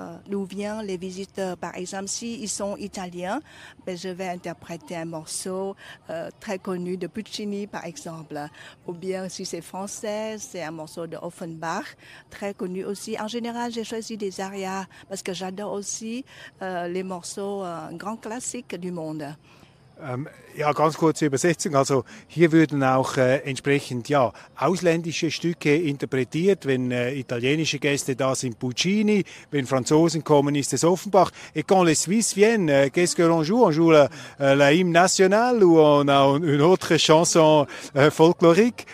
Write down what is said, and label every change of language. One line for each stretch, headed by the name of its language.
French: d'où viennent les visiteurs par exemple si ils sont italiens ben je vais interpréter un morceau très connu de Puccini par exemple ou bien si c'est français c'est un morceau de Offenbach très connu aussi en général j'ai choisi des arias parce que j'adore aussi les morceaux grands classiques du monde.
German: Ja, ganz kurze Übersetzung. Also hier würden auch entsprechend ja ausländische Stücke interpretiert. Wenn italienische Gäste da sind, Puccini. Wenn Franzosen kommen, ist es Offenbach.
French: Et quand les Suisses viennent, qu'est-ce que l'on joue? On joue la hymne nationale ou on a une autre chanson folklorique?